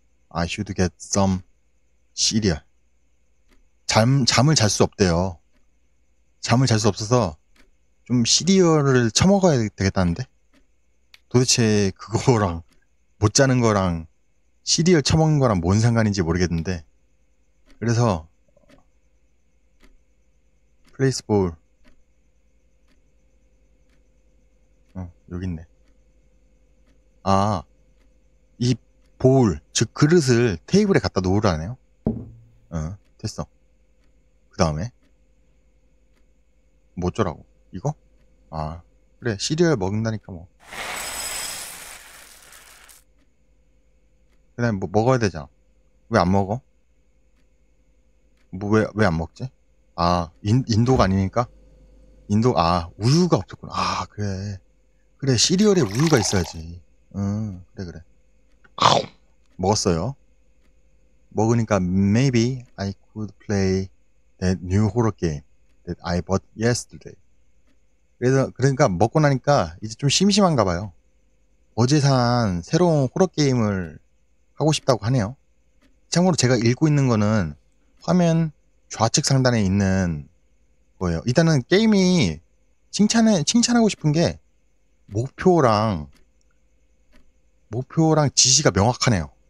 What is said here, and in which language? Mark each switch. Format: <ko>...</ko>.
<en>I should get some cereal.'</en> <ko>잠을 잘수 없대요. 잠을 잘수 없어서 좀 시리얼을 처먹어야 되겠다는데? 도대체 그거랑 못 자는 거랑 시리얼 처먹는 거랑 뭔 상관인지 모르겠는데. 그래서 플레이스 볼. 여기 있네. 아, 이 볼, 즉 그릇을 테이블에 갖다 놓으라네요. 됐어. 그 다음에 뭐 어쩌라고? 이거? 아, 그래, 시리얼 먹는다니까 뭐. 그 다음에 뭐 먹어야 되잖아. 왜안 먹어? 뭐 왜안 먹지? 아, 인도가 아니니까? 인도, 아, 우유가 없었구나. 아, 그래, 시리얼에 우유가 있어야지. 그래. 먹었어요. 먹으니까</ko> <en>maybe I could play that new horror game that I bought yesterday.</en> <ko>그러니까 먹고 나니까 이제 좀 심심한가 봐요. 어제 산 새로운 호러 게임을 하고 싶다고 하네요. 참고로 제가 읽고 있는 거는 화면 좌측 상단에 있는 거예요. 일단은 게임이 칭찬하고 싶은 게 목표랑 지시가 명확하네요.</ko>